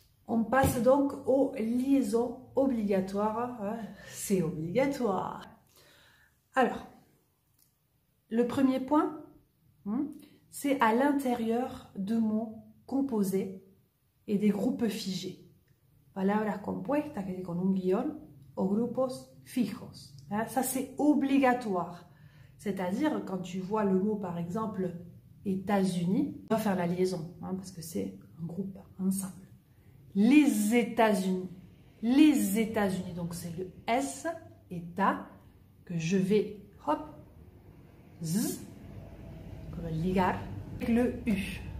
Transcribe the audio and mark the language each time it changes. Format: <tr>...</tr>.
<fr>On passe donc aux liaisons obligatoires. C'est obligatoire. Alors, le premier point, c'est à l'intérieur de mots composés et des groupes figés.</fr> <es>Palabras compuestas,</es> <fr>que c'est</fr> <es>con un guion, o grupos fijos.</es> <fr>Ça, c'est obligatoire. C'est-à-dire, quand tu vois le mot, par exemple, États-Unis, tu dois faire la liaison, parce que c'est un groupe, un simple. Les États-Unis. Les États-Unis. Donc, c'est le S, État, que je vais, hop, Z, comme ligar, avec le U.</fr>